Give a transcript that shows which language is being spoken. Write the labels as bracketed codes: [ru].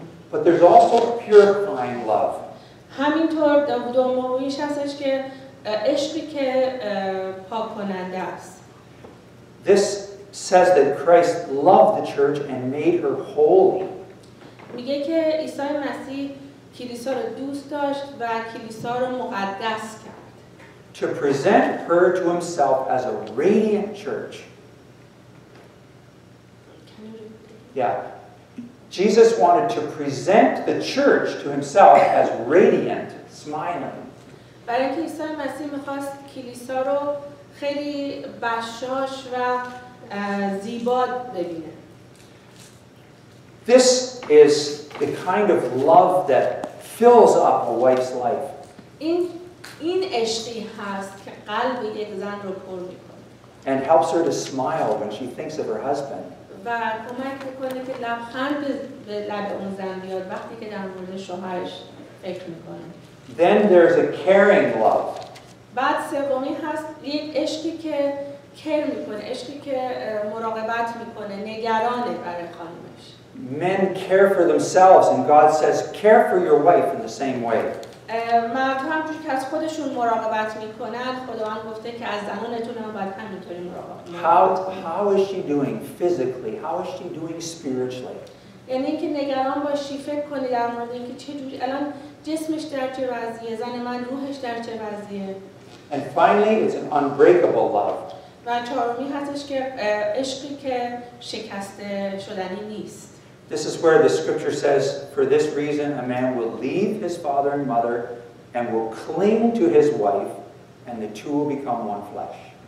[en] But there's also purifying love. [fa] همینطور دومویش هستش که عشقی که پاک کننده است. [en] This says that Christ loved the church and made her holy. [fa] میگه که عیسی مسیح کلیسا رو دوست داشت و کلیسا رو مقدس کرد. [en] To present her to himself as a radiant church. Yeah. Jesus wanted to present the church to himself as radiant, smiling. [fa] برای که عیسی مسیح میخواست کلیسا رو خیلی بشاش و زیبا ببینه. [en] This is the kind of love that fills up a wife's life. [fa] این عشقی هست که قلب یک زن رو پر میکنه. [en] And helps her to smile when she thinks of her husband. [fa] و و کمک میکنه که لبخند به لب اون زن بیاد وقتی که در مورد شوهرش فکر میکنه. [en] Then there's a caring love. [fa] بعد سومی هست یک عشقی که کر میکنه، عشقی که مراقبت میکنه، نگرانه برای خانمش. [en] Men care for themselves and God says care for your wife in the same way. [fa] مردها هم که از خودشون مراقبت میکنن خداوند گفته که از زنانتون هم باید همینطوری مراقبت کنید. [en] How is she doing physically? How is she doing spiritually? [fa] یعنی که نگران باشی فکر کنی در مورد اینکه چه جوری الان جسمش در چه وضعیه، زن من روحش در چه وضعیه. [en] And finally it's an unbreakable love. [fa] و چهارمی هستش که عشقی که شکسته شدنی نیست. [en] This is where the scripture says, for this reason, a man will leave his father and mother and will cling to his wife, and the two will become one flesh.